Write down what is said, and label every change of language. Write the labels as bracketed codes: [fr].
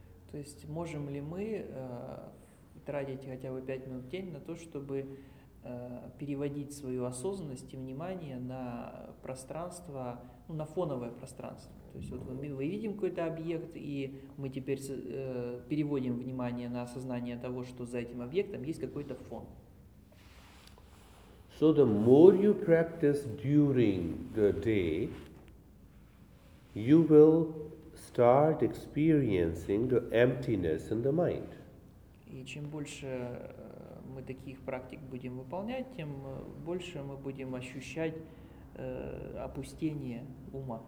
[ru] То есть можем ли мы тратить хотя бы 5 минут в день на то, чтобы переводить свою осознанность и внимание на пространство, ну, на фоновое пространство? То есть вот мы видим какой-то объект, и мы теперь переводим внимание на осознание того, что за этим объектом есть какой-то фон. [en] So the more you practice during the day, you will start experiencing the emptiness in the mind. [ru] И чем больше мы таких практик будем выполнять, тем больше мы будем ощущать опустение ума.